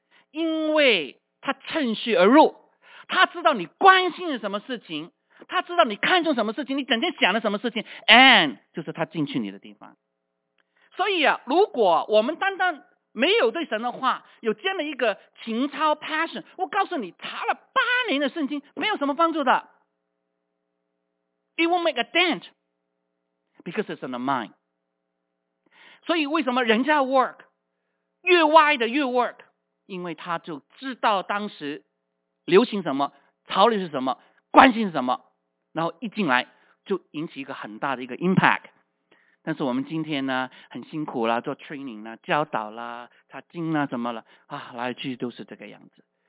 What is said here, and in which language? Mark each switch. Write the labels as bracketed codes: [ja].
[zh] 因为他趁虚而入，他知道你关心什么事情，他知道你看重什么事情，你整天想的什么事情 ，and 就是他进去你的地方。所以啊，如果我们单单没有对神的话有这样的一个情操 passion， 我告诉你，查了八年的圣经没有什么帮助的。 [en] It won't make a dent because it's in the mind。 [zh] 所以为什么人家 work 越歪的越 work？因为他就知道当时流行什么，潮流是什么，关心什么，然后一进来就引起一个很大的一个 impact。但是我们今天呢很辛苦啦，做 training 啦，教导啦，查经啦，怎么了啊，来去都是这个样子。